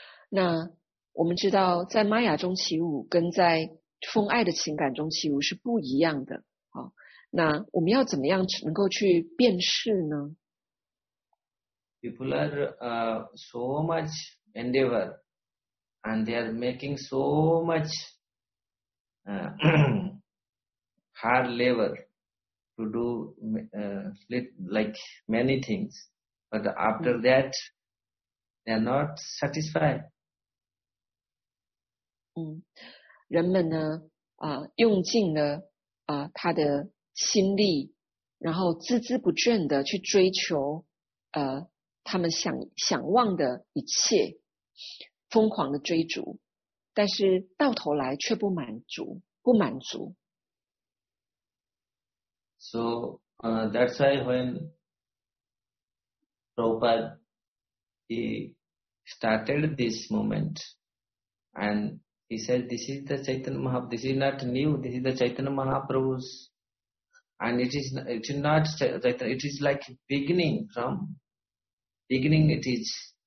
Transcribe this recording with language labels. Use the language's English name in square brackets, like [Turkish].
[Chinese] 那我们知道在玛雅中起舞跟在奉爱的情感中起舞是不一样的。那我们要怎么样能够去辨识呢？ [English] People are so much endeavor and they are making so much hard labor to do like many things, but after that they are not satisfied. [Chinese] 人们呢用尽了他的心力，然后孜孜不倦地去追求他们想望的一切，疯狂的追逐，但是到头来却不满足。 [English] So that's why when Prabhupada he started this moment and he said this is the Chaitanya Mahaprabhu, this is not new, this is the Chaitanya Mahaprabhu'sAnd it is like beginning from beginning it is.